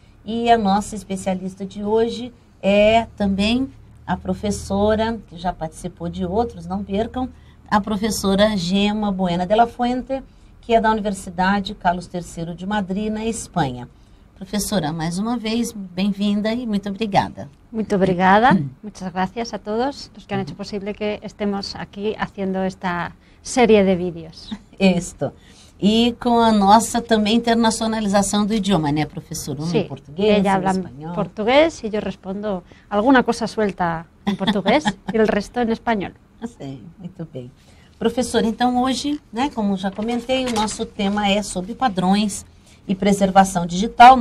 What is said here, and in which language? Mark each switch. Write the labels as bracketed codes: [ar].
[pt] E a nossa especialista de hoje é também a professora, que já participou de outros, não percam, a professora Gemma Buena de la Fuente, que é da Universidade Carlos III de Madrid, na Espanha. Professora, mais uma vez, bem-vinda e muito obrigada. Muito obrigada. [es] Muitas gracias a todos os que han hecho posible que estemos aqui haciendo esta série de vídeos. [pt] Isto. E com a nossa também internacionalização do idioma, né, professora? Sim, em português, ela fala português e eu respondo alguma coisa suelta em português e o resto em espanhol. Sim, muito bem. Professora, então hoje, né, como já comentei, o nosso tema é sobre padrões e preservação digital.